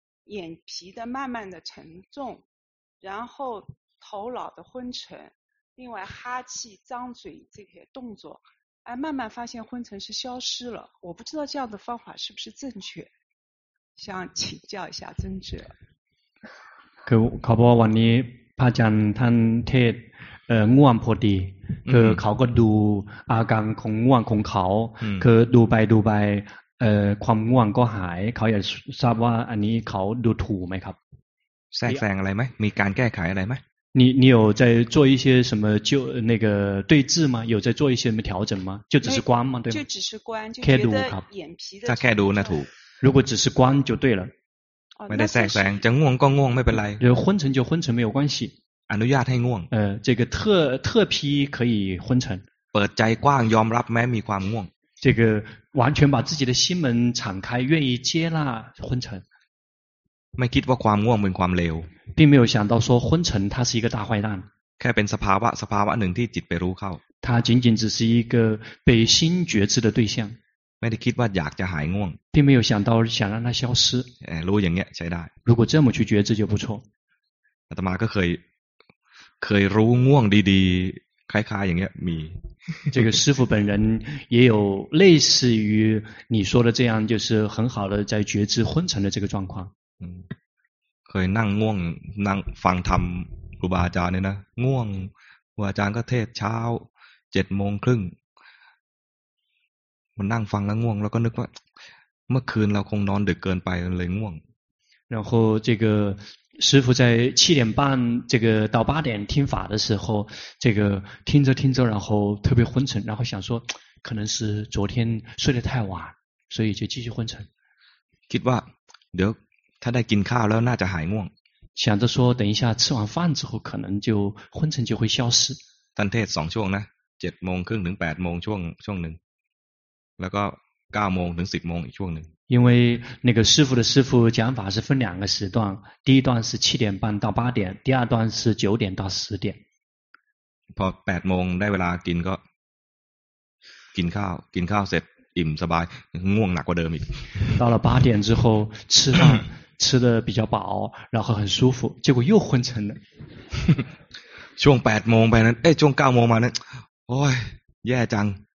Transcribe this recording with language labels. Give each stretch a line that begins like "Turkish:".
Chinese: 眼皮的慢慢的沉重然后头脑的昏沉另外哈气张嘴这些动作哎，慢慢发现昏沉是消失了我不知道这样的方法是不是正确想请教一下尊者
Thai: คือขอบอกวันนี้พระอาจารย์ท่านเทศง่วงพอดีคือเขาก็ดูอาการของง่วงของเขาคือดูไปความง่วงก็หายเขาอยากทราบว่าอันนี้เขาดูถูกไหมครับ แทรกแซงอะไรไหมมีการแก้ไขอะไรไหม
Chinese: 你有在做一些什么就那个对治吗有在做一些什么调整吗就只是观吗对吗就只是观就觉得眼皮的
Thai: ถ้าแค่ดูนะถูก
Chinese: 如果只是观就对了
Thai: ไม่ได้แทรกแซงจะง่วงก็ง่วงไม่เป็นไร หรือ
Chinese: 昏沉就昏沉没有关系
Thai: อนุญาตให้ง่วง
Chinese: 这个特批可以昏沉
Thai: เปิดใจกว้างยอมรับแม้มีความง่วง
Chinese: 这个完全把自己的心门敞开愿意接纳昏沉
Thai: ไม่คิดว่าความง่วงเป็นความเลว
Chinese: 并没有想到说昏沉它是一个大坏蛋
Thai: แค่เป็นสภาวะหนึ่งที่จิตไปรู้เข้า
Chinese: 它仅仅只是一个被心觉知的对象
Thai: ไม่ได้คิดว่าอยากจะหายง่วง
Chinese: 并没有想到想让它消失
Thai: รู้อย่างเงี้ยใช้ได้
Chinese: 如果这么去觉知就不错
Thai: อาตมาก็เคยรู้ง่วงดีๆคล้ายๆอย่างเงี้ยมี
Chinese: 这个师父本人也有类似于你说的这样就是很好的在觉知昏沉的这个状况
Thai: เคยนั่งง่วงนั่งฟังธรรม ครูบาอาจารย์เนี่ยนะง่วงครูอาจารย์ก็เทศเช้า 7:30 มันนั่งฟังแล้วง่วงแล้วก็นึกว่าเมื่อคืนเราคงนอนดึกเกินไปเลยง่วง
Chinese: 然后这个师父在7:30这个到8:00听法的时候，这个听着听着，然后特别昏沉，然后想说可能是昨天睡得太晚，所以就继续昏沉。
Thai: คิดว่าเดี๋ยวถ้าได้กินข้าวแล้วน่าจะหายง่วง。
Chinese: 想着说等一下吃完饭之后，可能就昏沉就会消失。
Thai: ท่านเทศ2ช่วงนะ7:30ถึง8:00ช่วงนึงแล้วก็9:00ถึง10:00อีกช่วงนึง。
Chinese: 因为那个师父的师父讲法是分两个时段，第一段是7:30到8:00，第二段是9:00到10:00。
Thai: พอ8:00ได้เวลากินก็กินข้าวเสร็จอิ่มสบายง่วงหนักกว่าเดิมอีก。
Chinese: 到了8:00之后吃饭吃的比较饱，然后很舒服，结果又昏沉了。
Thai: ช่วง8:00ไปนั้นช่วง9:00มานั้นโอ้ยแย่จัง。